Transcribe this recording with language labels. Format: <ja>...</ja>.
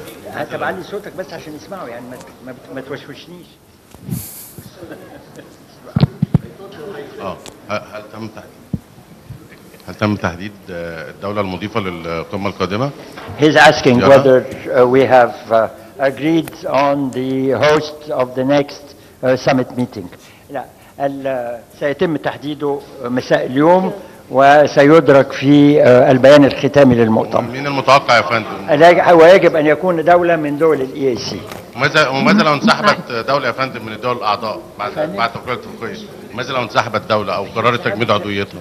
<ar>هتبع لي صوتك بس عشان اسمعه يعني ما توشوشنيش. هل تم تحديد الدولة المضيفة للقمة القادمة؟</ar> <en>He's asking whether we have agreed on the host of the next summit meeting.</en> <ar>لا، سيتم تحديده مساء اليوم وسيدرك في البيان الختامي للمؤتمر. من المتوقع يا فندم؟ ويجب أن يكون دولة من دول الـ EAC. وماذا لو انسحبت دولة يا فندم من الدول الأعضاء بعد تقرير التفقية؟ ماذا لو انسحبت دولة أو قرار تجميد عضويتها؟</ar>